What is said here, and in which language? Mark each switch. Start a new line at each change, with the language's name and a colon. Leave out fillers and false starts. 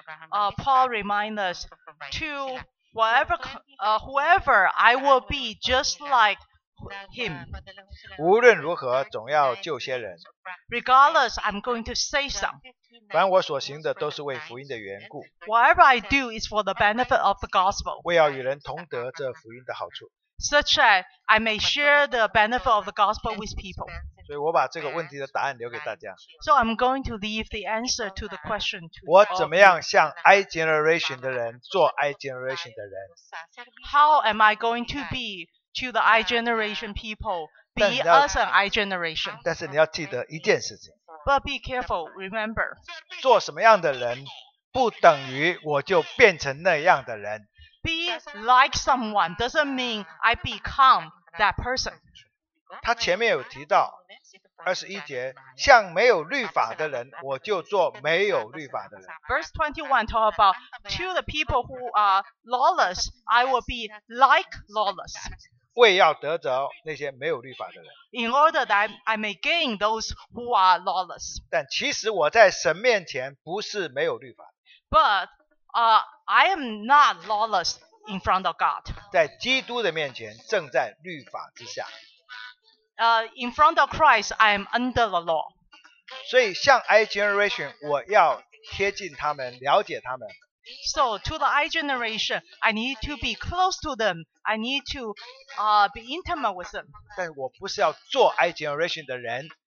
English: Paul reminds us to whatever, whoever I will be just like him.
Chinese: 无论如何，总要救些人。
English: Regardless, I'm going to say some.
Chinese: 凡我所行的都是为福音的缘故。
English: Whatever I do is for the benefit of the gospel.
Chinese: 为要与人同得这福音的好处。
English: Such that I may share the benefit of the gospel with people.
Chinese: 所以我把这个问题的答案留给大家。
English: So I'm going to leave the answer to the question to you.
Chinese: 我怎么样向 I generation 的人做 I generation 的人？
English: How am I going to be to the I generation people? Be us an I generation.
Chinese: 但是你要记得一件事情。
English: But be careful, remember.
Chinese: 做什么样的人，不等于我就变成那样的人。
English: Be like someone doesn't mean I become that person.
Chinese: 他前面有提到二十一节，像没有律法的人，我就做没有律法的人。
English: Verse 21 talk about to the people who are lawless, I will be like lawless.
Chinese: 为要得着那些没有律法的人。
English: In order that I may gain those who are lawless.
Chinese: 但其实我在神面前不是没有律法的。
English: But I am not lawless in front of God.
Chinese: 在基督的面前，正在律法之下。
English: In front of Christ, I am under the law.
Chinese: 所以像 I generation, 我要贴近他们，了解他们。
English: So to the I generation, I need to be close to them. I need to be intimate with them.
Chinese: 但我不是要做 I generation 的人。